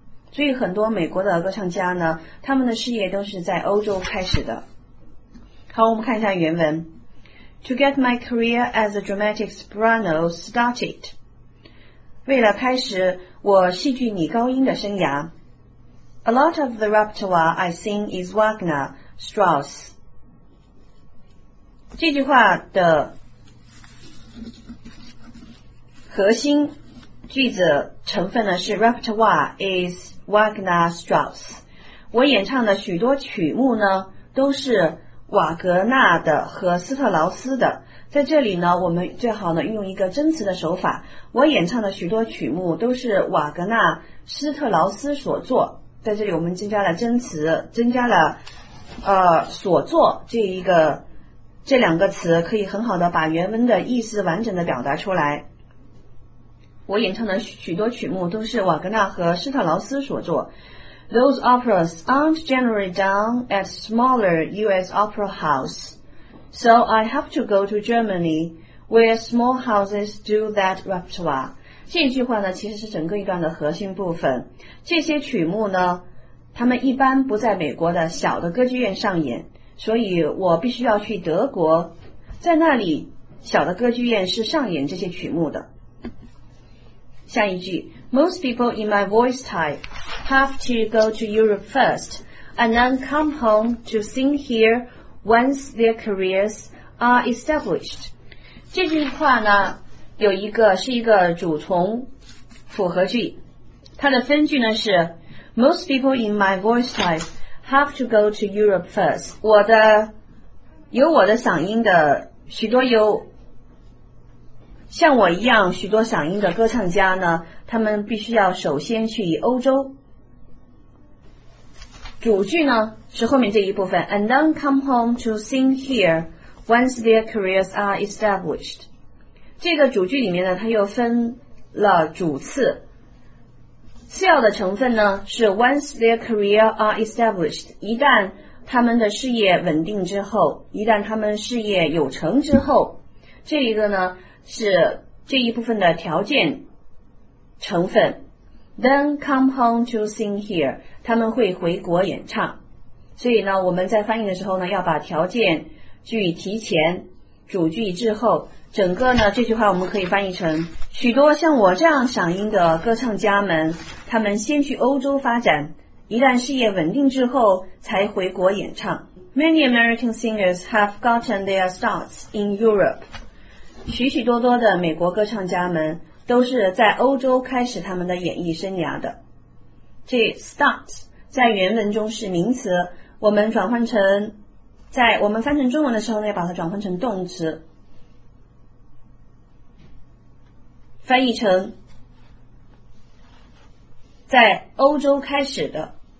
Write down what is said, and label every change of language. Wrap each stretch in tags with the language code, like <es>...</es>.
<zh>所以很多美国的歌唱家呢，他们的事业都是在欧洲开始的。好，我们看一下原文。</zh> <en>To get my career as a dramatic soprano started.</en> <zh>为了开始我戏剧女高音的生涯。</zh> <en>A lot of the repertoire I sing is Wagner, Strauss.</en> <zh>这句话的核心句子成分呢是</zh> <en>repertoire is Wagner Strauss，</en> <zh>我演唱的许多曲目呢都是瓦格纳的和斯特劳斯的。在这里呢我们最好呢运用一个真词的手法，我演唱的许多曲目都是瓦格纳斯特劳斯所作，在这里我们增加了真词，增加了所作这一个，这两个词可以很好的把原文的意思完整的表达出来。我演唱的许多曲目都是瓦格纳和施特劳斯所作。</zh> <en>Those operas aren't generally done at smaller U.S. opera house, so I have to go to Germany where small houses do that repertoire.</en> <zh>这句话呢，其实是整个一段的核心部分。这些曲目呢，他们一般不在美国的小的歌剧院上演，所以我必须要去德国，在那里小的歌剧院是上演这些曲目的。下一句，</zh> <en>Most people in my voice type have to go to Europe first and then come home to sing here once their careers are established.</en> <zh>这句话呢有一个是一个主从复合句，它的分句呢是</zh> <en>Most people in my voice type have to go to Europe first.</en> <zh>我的有我的嗓音的许多有像我一样许多嗓音的歌唱家呢，他们必须要首先去欧洲。主句呢是后面这一部分</zh> <en>and then come home to sing here once their careers are established。</en> <zh>这个主句里面呢它又分了主次，次要的成分呢是</zh> <en>once their career are established，</en> <zh>一旦他们的事业稳定之后，一旦他们事业有成之后，这一个呢是这一部分的条件成分。</zh> <en>Then come home to sing here，</en> <zh>他们会回国演唱。所以呢我们在翻译的时候呢要把条件句提前，主句滞后，整个呢这句话我们可以翻译成许多像我这样嗓音的歌唱家们，他们先去欧洲发展，一旦事业稳定之后才回国演唱。</zh> <en>Many American singers have gotten their starts in Europe.</en> <zh>许许多多的美国歌唱家们都是在欧洲开始他们的演艺生涯的。这 start 在原文中是名词，我们转换成，在我们翻成中文的时候呢，把它转换成动词，翻译成在欧洲开始的。</zh>